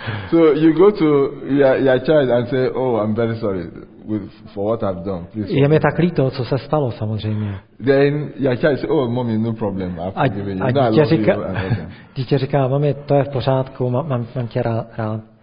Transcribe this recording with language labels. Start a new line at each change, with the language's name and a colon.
English: So you go to your child and say, oh, I'm very sorry for what I've done. Please.
Czech: Je mi tak líto, co se stalo, samozřejmě.
English: Then your child says, oh, mommy, no problem. I forgive you.
Czech: Dítě říká, mami, to je v pořádku, mám tě rád.